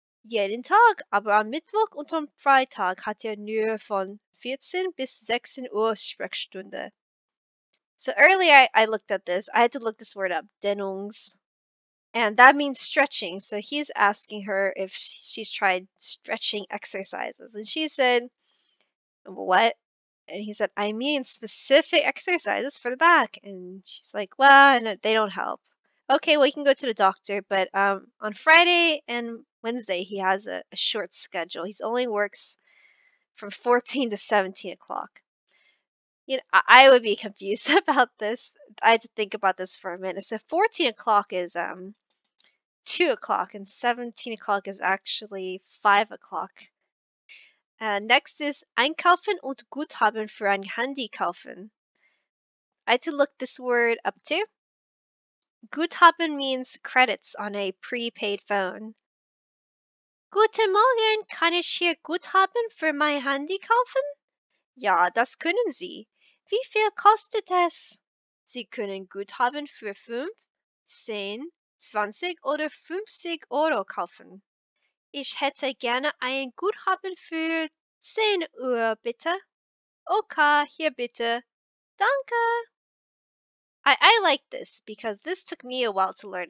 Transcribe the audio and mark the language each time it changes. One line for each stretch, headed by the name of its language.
German: Jeden Tag, aber am Mittwoch und am Freitag hat er nur von 14 bis 16 Uhr Sprechstunde.
English: So earlier I looked at this. I had to look this word up, Dehnungs. And that means stretching. So he's asking her if she's tried stretching exercises. And she said, what? And he said, I mean specific exercises for the back. And she's like, well, no, they don't help. Okay, well, you can go to the doctor. But on Friday and Wednesday, he has a short schedule. He only works from 14 to 17 o'clock. You know, I would be confused about this. I had to think about this for a minute. So 14 o'clock is 2 o'clock, and 17 o'clock is actually 5 o'clock. Next is
German: Einkaufen und Guthaben für ein Handy kaufen.
English: I had to look this word up too. Guthaben means credits on a prepaid phone.
German: Guten Morgen, kann ich hier Guthaben für mein Handy kaufen? Ja, das können Sie. Wie viel kostet es? Sie können Guthaben für 5, 10, 20 oder 50 Euro kaufen. Ich hätte gerne ein Guthaben für 10 Uhr, bitte. Okay, hier bitte. Danke.
English: I like this because this took me a while to learn.